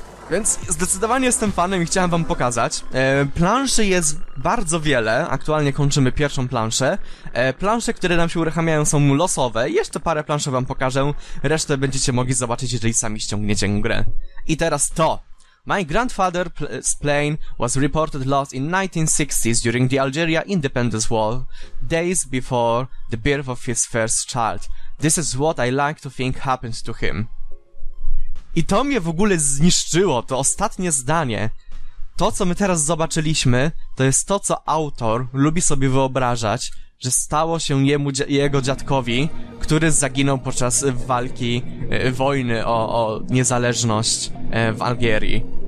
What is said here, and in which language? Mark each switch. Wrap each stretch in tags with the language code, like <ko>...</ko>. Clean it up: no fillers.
<pl>Więc zdecydowanie jestem fanem i chciałem wam pokazać. Planszy jest bardzo wiele. Aktualnie kończymy pierwszą planszę. Plansze, które nam się uruchamiają, są losowe. Jeszcze parę planszy wam pokażę. Resztę będziecie mogli zobaczyć, jeżeli sami ściągniecie grę. I teraz to.</pl> <en>My grandfather's plane was reported lost in 1960s during the Algeria Independence War, days before the birth of his first child. This is what I like to think happened to him.</en> <pl>I to mnie w ogóle zniszczyło, to ostatnie zdanie. To, co my teraz zobaczyliśmy, to jest to, co autor lubi sobie wyobrażać, że stało się jego dziadkowi, który zaginął podczas walki, wojny o niezależność w Algierii.</pl>